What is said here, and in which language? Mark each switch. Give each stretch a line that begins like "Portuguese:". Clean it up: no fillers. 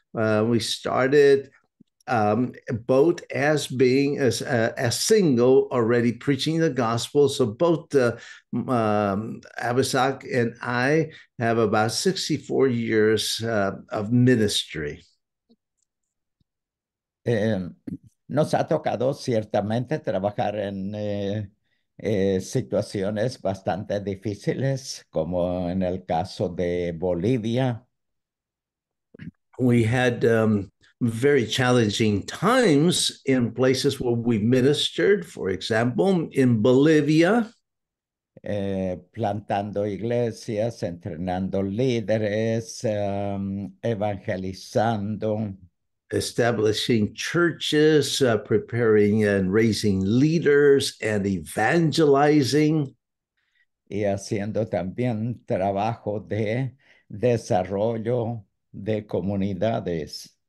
English: We started both as being as single already preaching the gospel. So both Abisak and I have about 64 years of ministry.
Spanish: Nos ha tocado ciertamente trabajar en situaciones bastante difíciles, como en el caso de Bolivia.
English: We had very challenging times in places where we ministered, for example, in Bolivia.
Spanish: Plantando iglesias, entrenando líderes, evangelizando.
English: Establishing churches, preparing and raising leaders, and evangelizing.
Spanish: Y haciendo también trabajo de desarrollo de comunidades.